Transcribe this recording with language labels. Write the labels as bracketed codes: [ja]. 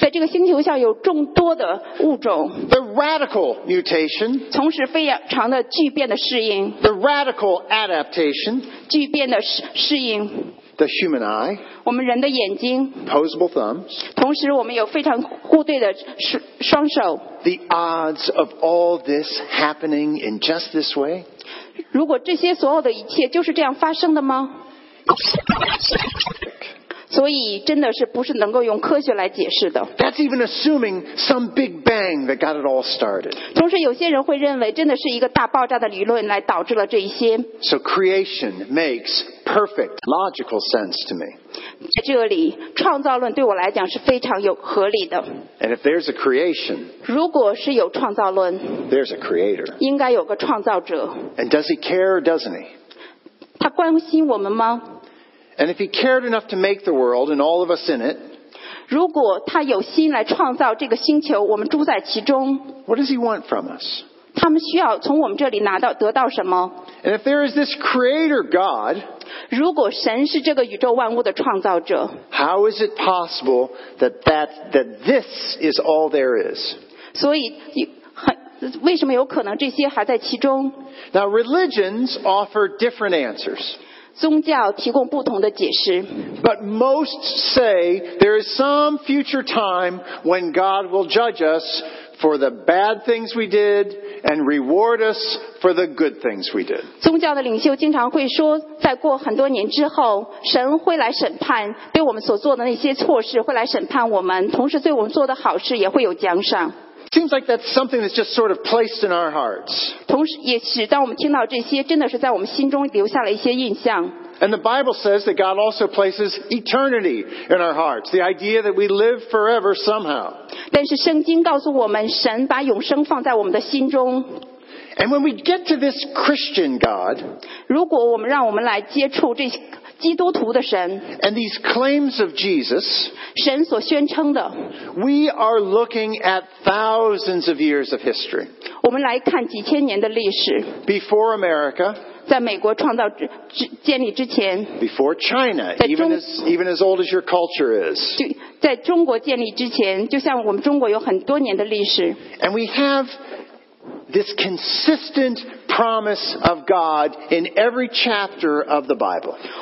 [zh] 在这个星球上有众多的物种 [en] the radical mutation [zh] 同时非常的巨变的适应 [en] the radical adaptation [zh] 巨变的适应 [en] the human eye [zh] 我们人的眼睛 [en] opposable thumbs [zh] 同时我们有非常互对的双手 [en] the odds of all this happening in just this way [zh] 如果这些所有的一切就是这样发生的吗所以真的是不是能够用科学来解释的 [en] That's even assuming some big bang that got it all started [zh] 同时有些人会认为真的是一个大爆炸的理论来导致了这一些 [en] So creation makes perfect logical sense to me [zh] 在这里创造论对我来讲是非常有合理的 [en] And if there's a creation [zh] 如果是有创造论 [en] There's a creator [zh] 应该有个创造者 [en] And does he care or doesn't he? [zh] 他关心我们吗？ [en] And if he cared enough to make the world and all of us in it, [zh] 如果他有心来创造这个星球，我们住在其中。 [en] What does he want from us? [zh] 他们需要从我们这里拿到得到什么？ [en] And if there is this creator God, [zh] 如果神是这个宇宙万物的创造者， [en] How is it possible that this is all there is? [zh] 所以为什么有可能这些还在其中？ [en] Now religions offer different answers. [zh] 宗教提供不同的解释。 [en] But most say there is some future time when God will judge us for the bad things we did and reward us for the good things we did. [zh] 宗教的领袖经常会说，在过很多年之后，神会来审判对我们所做的那些错事，会来审判我们，同时对我们做的好事也会有奖赏。 [en] Seems like that's something that's just sort of placed in our hearts. [zh] 同时，也使当我们听到这些，真的是在我们心中留下了一些印象。 [en] And the Bible says that God also places eternity in our hearts, the idea that we live forever somehow. [zh] 但是圣经告诉我们，神把永生放在我们的心中。 [en] And when we get to this Christian God, [zh] 如果我们来接触这基督徒的神, [en] and these claims of Jesus, [zh] 神所宣称的, [en] we are looking at thousands of years of history. [zh] 我们来看几千年的历史, [en] before America, [zh] 在美国建立之前, [en] before China, [zh] 在中, [en] even as old as your culture is. [zh] 在中国建立之前, 就像我们中国有很多年的历史, [en] and we have this consistent promise of God in every chapter of the Bible.